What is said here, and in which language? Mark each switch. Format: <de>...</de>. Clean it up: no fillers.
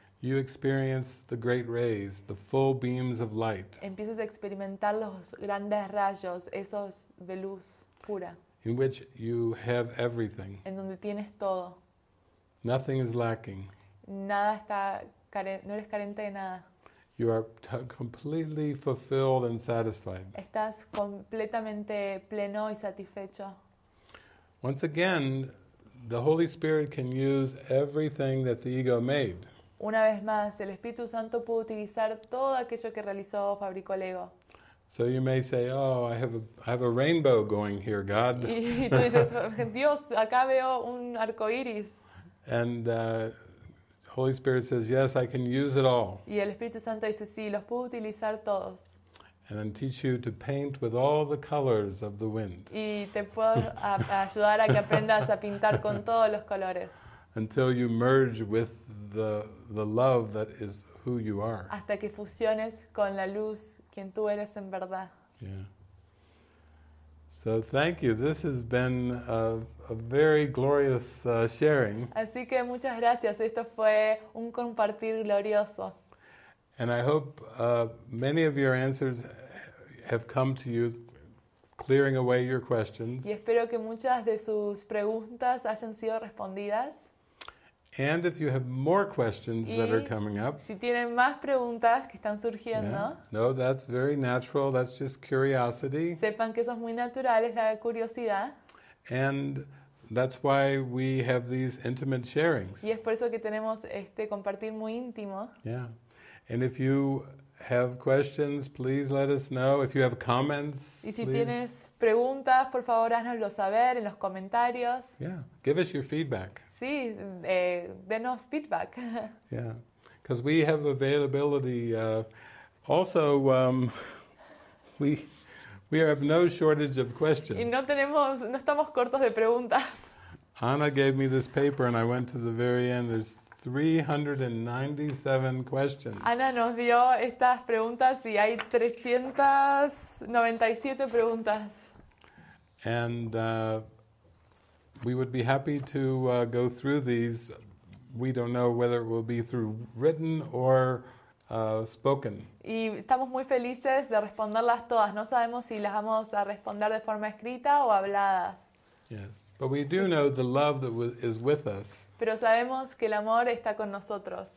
<en>you experience the great rays, the full beams of light.</en> <es>Empiezas a experimentar los grandes rayos, esos de luz pura.</es> <en>In which you have everything.</en> <es>En donde tienes todo.</es> <en>Nothing is lacking.</en> <es>Nada está no eres carente de nada.</es> <en>You are completely fulfilled and satisfied.</en> <es>Estás completamente pleno y satisfecho.</es> <en>Once again, the Holy Spirit can use everything that the ego made.</en> <es>Una vez más, el Espíritu Santo pudo utilizar todo aquello que realizó o fabricó el ego.</es> <en>So you may say, "Oh, I have a rainbow going here, God."</en> <es>Y tú dices, Dios, acá veo un arco iris.</es> <en>And Holy Spirit says, "Yes, I can use it all."</en> <es>Y el Espíritu Santo dice, sí, los puedo utilizar todos.</es> <en>And then teach you to paint with all the colors of the wind.</en> <es>Y te puedo ayudar a que aprendas a pintar con todos los colores.</es> <en>Until you merge with the love that is who you are.</en> <es>Hasta que fusiones con la luz quien tú eres en verdad.</es> <en>Yeah. So thank you. This has been a very glorious sharing.</en> <es>Así que muchas gracias. Esto fue un compartir glorioso.</es> <en>And I hope many of your answers have come to you, clearing away your questions.</en> <es>Y espero que muchas de sus preguntas hayan sido respondidas.</es> <en>And if you have more questions</en> <es>y</es> <en>that are coming up,</en> <es>si tienen más preguntas que están surgiendo,</es> <en>yeah, no, that's very natural. That's just curiosity.</en> <es>Sepan que eso es muy natural, es la curiosidad.</es> <en>And that's why we have these intimate sharings.</en> <es>Y es por eso que tenemos este compartir muy íntimo.</es> <en>Yeah. And if you have questions, please let us know. If you have comments,</en> <es>y si</es> <en>please.</en> <es>Tienes preguntas, por favor, háznoslo saber en los comentarios.</es> <en>Yeah. Give us your feedback.</en> <es>Sí, denos feedback.</es> <en>Yeah, because we have availability. Also, we have no shortage of questions.</en> <es>Y no estamos cortos de preguntas.</es> <en>Anna gave me this paper and I went to the very end. There's 397 questions.</en> <es>Anna nos dio estas preguntas y hay 397 preguntas.</es> <en>And we would be happy to go through these. We don't know whether it will be through written or spoken.</en> <es>Y estamos muy felices de responderlas todas. No sabemos si las vamos a responder de forma escrita o habladas.</es> <en>Yes, but we do know the love that is with us.</en> <es>Pero sabemos que el amor está con nosotros.</es>